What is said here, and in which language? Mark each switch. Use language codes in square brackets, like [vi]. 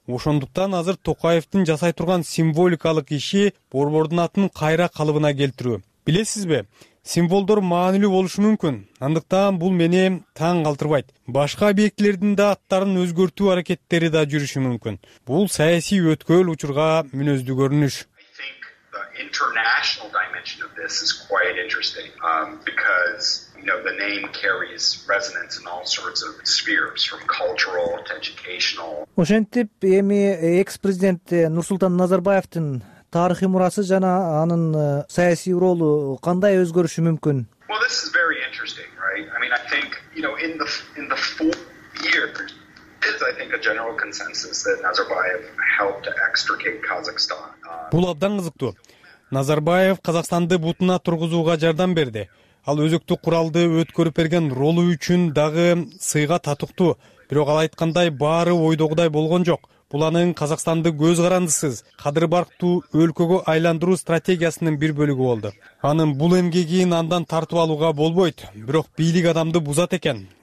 [ky] Ошондуктан азыр Токаевдин жасай турган символикалык иши борбордун атын кайра калыбына келтирүү. Билесизби? Символдор маанилүү болушу мүмкүн. Андыктан бул мени таң калтырбайт. Башка объектилердин да аттарын өзгөртүү аракеттери да жүрүшү мүмкүн. Бул саясий өткөл учурга мүнөздүү көрүнүш. [en] International dimension of this is quite interesting because you know the name carries resonance in all sorts of spheres from cultural to educational. [ky] Ошентип эми экс-президент Нурсултан Назарбаевдин тарыхый мурасы жана анын саясий ролу кандай өзгөрүшү мүмкүн? [en] Well, this is very interesting, right? I mean, I think, you know, in the 4 years I think a general consensus that Nazarbayev helped to extricate Kazakhstan. [ky] Бул абдан кызыктуу. Назарбаев Казакстанды бутуна тургузууга жардам берди. Ал өзөктүк куралды өткөрүп берген ролу үчүн дагы сыйга татыктуу. Бирок ал айткандай баары ойдогудай болгон жок. Бул анын Казакстанды көз карандысыз, кадыр барктуу өлкөгө айландыруу стратегиясынын бир бөлүгү болду. Анын бул эмгегин андан тартып алууга болбойт. Бирок бийлик адамды бузат экен.